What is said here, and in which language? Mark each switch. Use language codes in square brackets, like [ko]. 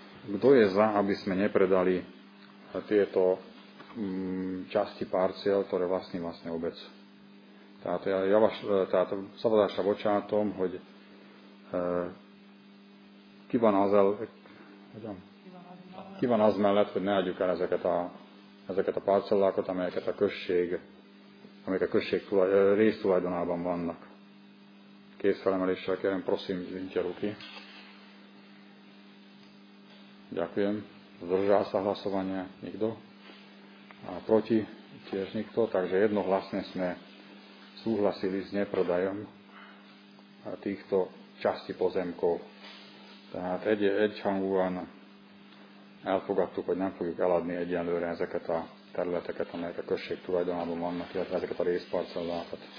[sk] Kto je za, aby sme nepredali tieto časti parciel, ktoré vlastní obec? [hu] Tehát, tehát szabadásra bocsátom, hogy ki van az mellett, hogy ne adjuk el ezeket a parcellákat, amelyek a község résztulajdonában vannak. Kész felemeléssel kérem, prosím, Vintyaruki. [sk] Ďakujem. Zdržal sa hlasovania? Nikto? A proti? Tiež nikto. Takže jednohlasne sme súhlasili s neprodajom týchto časti pozemkov. [hu] Tehát egyhangúan elfogadtuk, hogy nem fogjuk eladni egyenlőre ezeket a területeket, amelyek a község tulajdonában vannak, illetve ezeket a részparcellákat.